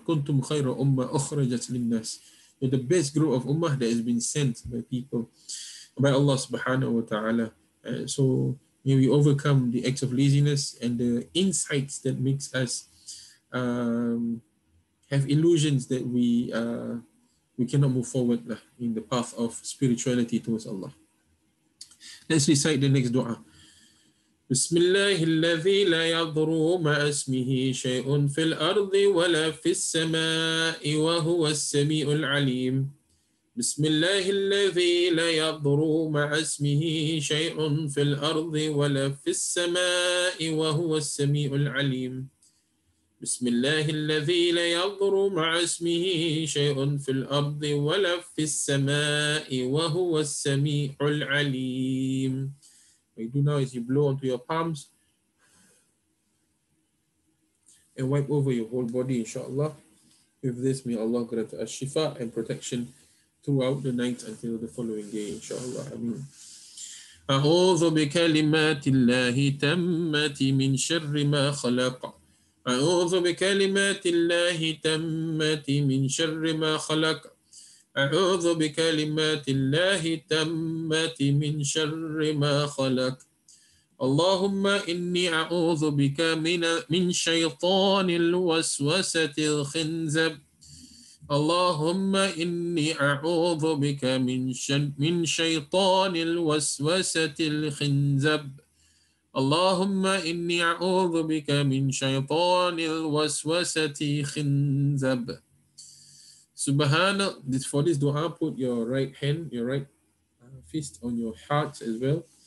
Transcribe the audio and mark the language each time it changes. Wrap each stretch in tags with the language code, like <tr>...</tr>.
<ar>Kuntum khayra Ummah ukhrajat linnas.</ar> <en>We're the best group of Ummah that has been sent by people, by Allah subhanahu wa ta'ala. So may we overcome the acts of laziness and the insights that makes us have illusions that we cannot move forward in the path of spirituality towards Allah. Let's recite the next dua.</en> <ar>بسم الله الذي لا يضر مع اسمه شيء في الأرض ولا في السماء وهو السميع العليم. بسم الله الذي لا يضر مع اسمه شيء في الأرض ولا في السماء وهو السميع العليم. بسم الله الذي لا يضر مع اسمه شيء في الأرض ولا في السماء وهو السميع العليم.</ar> <en>What you do now is you blow onto your palms and wipe over your whole body, inshallah. With this, may Allah grant us shifa and protection throughout the night until the following day, inshallah. Ameen.</en> <ar>A'udhu bi kalimatillahi tammati min sharri ma khalaq. A'udhu bi kalimatillahi tammati min sharri ma khalaq. أعوذ بكلمات الله تمت من شر ما خلق اللهم إني أعوذ بك من شيطان الوسوسة الخنزب اللهم إني أعوذ بك من شيطان الوسوسة الخنزب اللهم إني أعوذ بك من شيطان الوسوسة الخنزب.</ar> <en>Subhanallah, for this dua, put your right hand, your right fist on your heart as well.</en>